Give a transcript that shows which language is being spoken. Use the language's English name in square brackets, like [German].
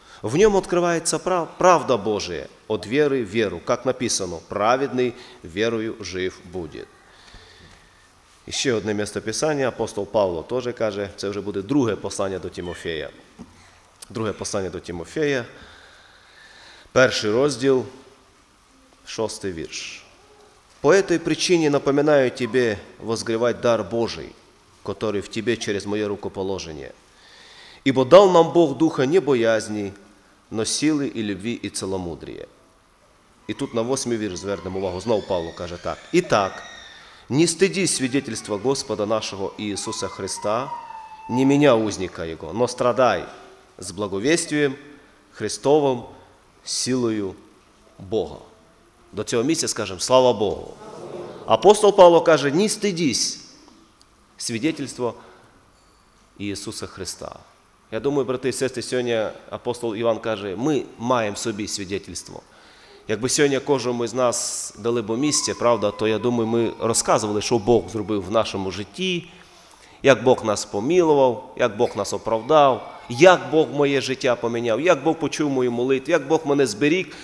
[Ukrainian] В ньому відкривається правда Божа, от віри в віру, як написано, праведний вірою жив буде». Ще одне місце писання, апостол Павло теж каже, це вже буде друге послання до Тимофея. Друге послання до Тимофея, перший розділ, 6 вірш. [Russian] «По этой причине напоминаю тебе возгревать дар Божий, который в тебе через моє рукоположение. Ибо дал нам Бог духа не боязни, но силы и любви и целомудрия». [Ukrainian] І тут на 8 вірш звернемо увагу, знову Павло каже так. [Russian] «Итак, не стыдись свидетельства Господа нашого Ісуса Христа, не меня, узника Его, но страдай с благовестием Христовым силою Бога». [Ukrainian] До цього місця скажемо «Слава Богу». Апостол Павло каже [Russian] «Не стыдись свидетельства Ісуса Христа». [Ukrainian] Я думаю, брати і сестри, сьогодні апостол Іван каже «Ми маємо собі свидетельство». Якби сьогодні кожному з нас дали б місце, правда, то я думаю, ми розказували, що Бог зробив в нашому житті, як Бог нас помілував, як Бог нас оправдав, як Бог моє життя поміняв, як Бог почув мою молитву, як Бог мене зберіг.